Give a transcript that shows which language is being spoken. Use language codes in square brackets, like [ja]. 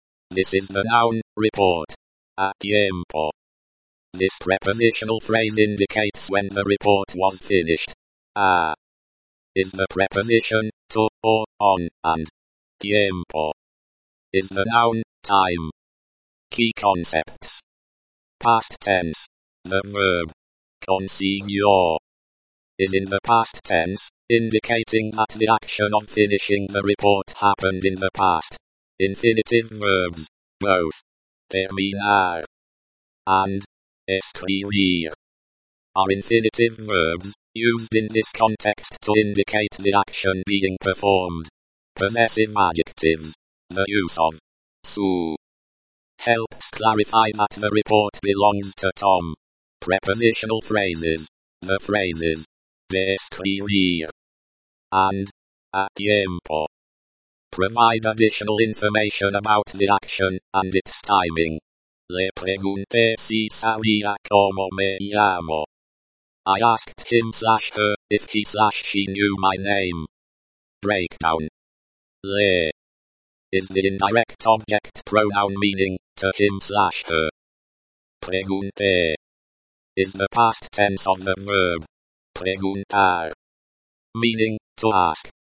[en] This is the noun, report. A tiempo. This prepositional phrase indicates when the report was finished. A is the preposition, to or on, and tiempo is the noun, time. Key concepts. Past tense. The verb. Consiguió. is in the past tense, indicating that the action of finishing the report happened in the past. Infinitive verbs, both terminar and escribir, are infinitive verbs, used in this context to indicate the action being performed. Possessive adjectives, the use of su, helps clarify that the report belongs to Tom. Prepositional phrases, the phrases describir and a tiempo, provide additional information about the action and its timing. [es] Le pregunté si sabía cómo me llamo. [en] I asked him slash her if he slash she knew my name. Breakdown. Le is the indirect object pronoun meaning to him slash her. Pregunté is the past tense of the verb preguntar, meaning to ask.